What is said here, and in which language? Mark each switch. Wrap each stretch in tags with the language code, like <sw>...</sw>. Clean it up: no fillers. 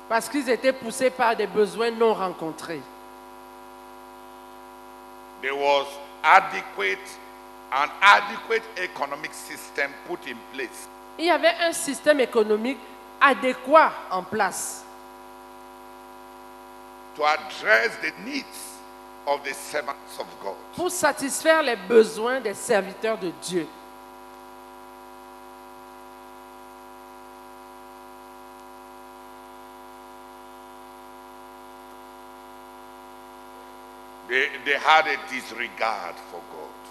<fr>parce qu'ils étaient poussés par des besoins non rencontrés.</fr> <en>There was an adequate economic system put in place.</en> <fr>Il y avait un système économique adéquat en place</fr> <en>to address the needs of the servants of God.</en> <fr>Pour satisfaire les besoins des serviteurs de Dieu.</fr> <en>They had a disregard for God.</en>